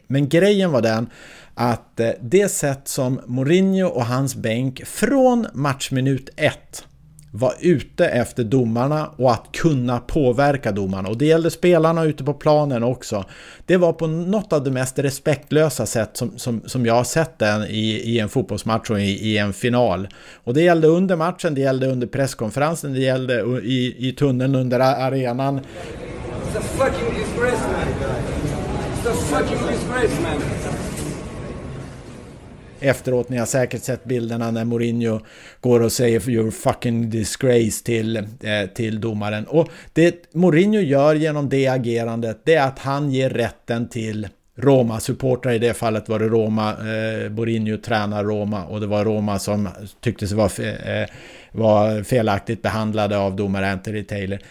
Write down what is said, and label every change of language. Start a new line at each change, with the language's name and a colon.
Swedish: Men grejen var den att det sätt som Mourinho och hans bänk från matchminut ett var ute efter domarna och att kunna påverka domarna, och det gällde spelarna ute på planen också, det var på något av det mest respektlösa sätt som jag har sett den i en fotbollsmatch och i en final. Och det gällde under matchen, det gällde under presskonferensen, det gällde i tunneln under arenan.
English: It's a fucking disgrace, man. It's a fucking disgrace, man.
Swedish: Efteråt, ni har säkert sett bilderna när Mourinho går och säger
English: you're fucking disgrace
Swedish: till domaren. Och det Mourinho gör genom det agerandet, det är att han ger rätten till Roma-supportrar i det fallet, var det Roma, Borinho tränar Roma, och det var Roma som tyckte sig vara var felaktigt behandlade av domare Anthony Taylor.